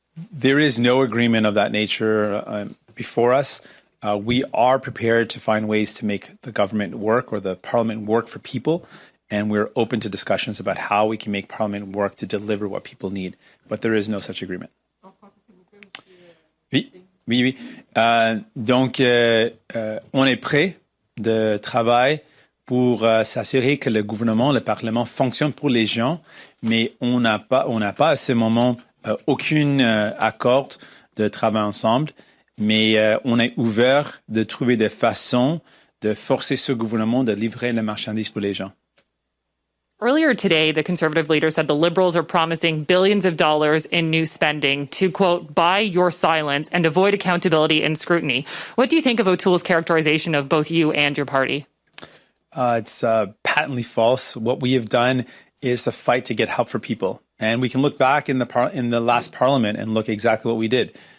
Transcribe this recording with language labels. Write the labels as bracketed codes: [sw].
[en] There is no agreement of that nature before us. We are prepared to find ways to make the government work or the parliament work for people. And we're open to discussions about how we can make parliament work to deliver what people need. But there is no such agreement. [fr] Oui. Donc, on est prêt de travail pour s'assurer que le gouvernement, le Parlement fonctionne pour les gens, mais on n'a pas à ce moment aucun accord de travail ensemble, mais on est ouvert de trouver des façons de forcer ce gouvernement de livrer les marchandises pour les gens. [en] Earlier today, the conservative leader said the Liberals are promising billions of dollars in new spending to, quote, buy your silence and avoid accountability and scrutiny. What do you think of O'Toole's characterization of both you and your party? It's patently false. What we have done is a fight to get help for people. And we can look back in the last parliament and look exactly what we did.